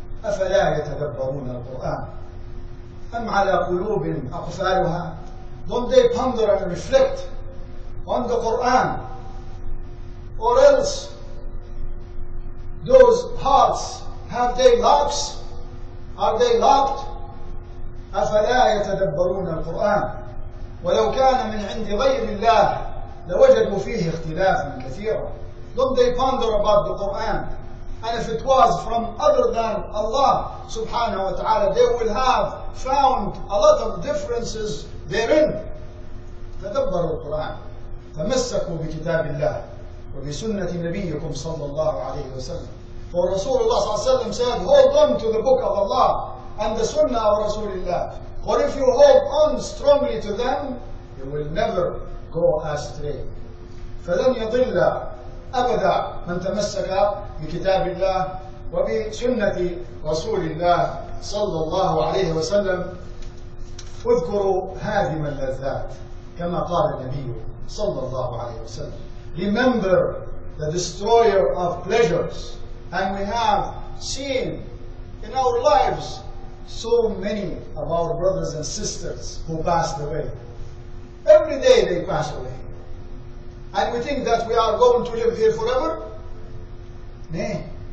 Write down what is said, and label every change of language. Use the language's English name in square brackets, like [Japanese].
[Arabic] أفلا يتدبرون القرآن أم على قلوب أقفالها. [English] Don't they ponder and reflect on the Quran, or else those hearts, have they locks? Are they locked? [Arabic] أَفَلَا يَتَدَبَّرُونَ الْقُرْآنَ وَلَوْ كَانَ مِنْ عِنْدِ غَيْرِ اللَّهِ لَوَجَدُوا فِيهِ اخْتِلَافًا كَثِيرًا. [English] Don't they ponder about the Qur'an? And if it was from other than Allah subhanahu wa ta'ala, they will have found a lot of differences therein. [Arabic] تَدَبَّرُوا الْقُرْآنَ فَمَسَّكُوا بِكِتَابِ اللَّهِ وبسنة نبيكم صلى الله عليه وسلم. [English] For Rasulullah [Arabic] صلى الله عليه وسلم [English] said, hold on to the book of Allah and the sunnah of Rasulullah. Or if you hold on strongly to them, you will never go astray. [Arabic] فلن يضل أبدا من تمسك بكتاب الله وبسنة رسول الله صلى الله عليه وسلم. اذكروا هادم اللذات كما قال النبي صلى الله عليه وسلم. [English] Remember the destroyer of pleasures. And we have seen in our lives so many of our brothers and sisters who passed away. Every day they pass away. And we think that we are going to live here forever? Nay.